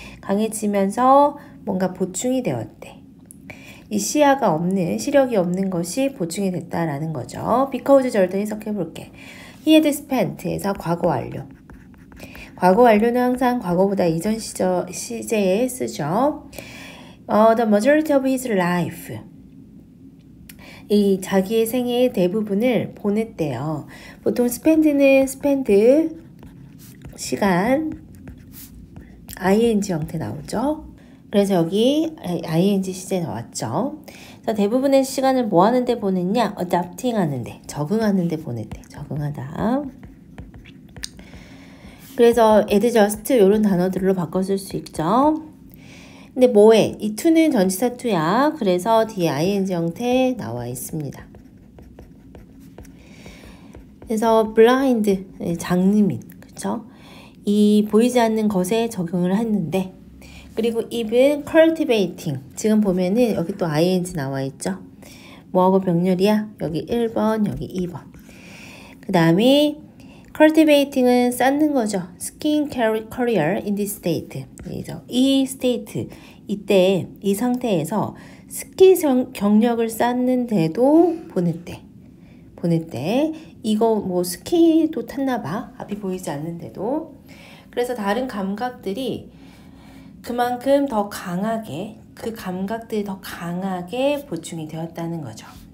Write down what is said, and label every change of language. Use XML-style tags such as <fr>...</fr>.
<ko>강해지면서 뭔가 보충이 되었대. 이 시야가 없는, 시력이 없는 것이 보충이 됐다라는 거죠. Because 절도 해석해 볼게.</ko> <en>He had spent</en> <ko>에서 과거 완료. 과거 완료는 항상 과거보다 이전 시제에 쓰죠.</ko> <en>The majority of his life.</en> <ko>이 자기의 생애의 대부분을 보냈대요. 보통 spend는 spend, 시간, ing 형태 나오죠. 그래서 여기 ing 시제 나왔죠. 그래서 대부분의 시간을 뭐 하는 데 보냈냐? adapting 하는 데, 적응하는 데 보냈대. 적응하다. 그래서 adjust 이런 단어들로 바꿔 쓸수 있죠. 근데 뭐해? 이 to는 전치사 to야. 그래서 뒤에 ing 형태 나와 있습니다. 그래서 blind, 장님인, 그렇죠? 이 보이지 않는 것에 적용을 했는데, 그리고 입은 cultivating. 지금 보면은 여기 또 ing 나와 있죠? 뭐하고 병렬이야? 여기 1번, 여기 2번. 그 다음에 cultivating은 쌓는 거죠.</ko> <en>skin care career in this state.</en> <ko>그래서 이 state, 이때 이 상태에서 스킨 경력을 쌓는데도 보냈대. 보냈대. 이거 뭐 스키도 탔나 봐. 앞이 보이지 않는데도. 그래서 다른 감각들이 그만큼 더 강하게, 그 감각들이 더 강하게 보충이 되었다는 거죠.</ko>